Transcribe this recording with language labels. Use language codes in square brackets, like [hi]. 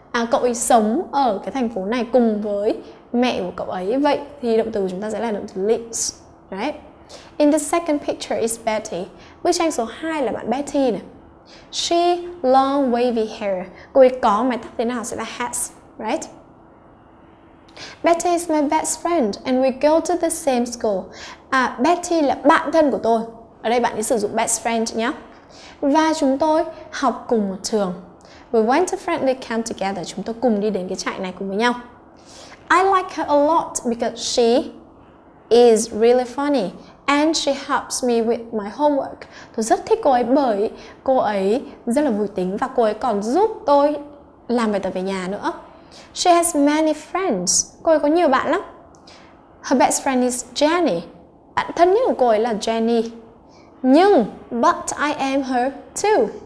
[vi] Cậu ấy sống ở cái thành phố này cùng với mẹ của cậu ấy. Vậy thì động từ của chúng ta sẽ là động từ lives, [en] right? In the second picture is Betty. [vi] Bức tranh số 2 là bạn Betty này. [en] She long wavy hair. [vi] Cô ấy có mái tóc thế nào sẽ là has, [en] right? Betty is my best friend and we go to the same school. [vi] Betty là bạn thân của tôi. Ở đây bạn ấy sử dụng best friend nhé. Và chúng tôi học cùng một trường. [en] We went to Friendly Camp together. [vi] Chúng tôi cùng đi đến cái trại này cùng với nhau. [en] I like her a lot because she is really funny and she helps me with my homework. [vi] Tôi rất thích cô ấy bởi cô ấy rất là vui tính và cô ấy còn giúp tôi làm bài tập về nhà nữa. [en] She has many friends. [vi] Cô ấy có nhiều bạn lắm. [en] Her best friend is Jenny. [vi] Bạn thân nhất của cô ấy là Jenny. Nhưng, [en] but I am her too.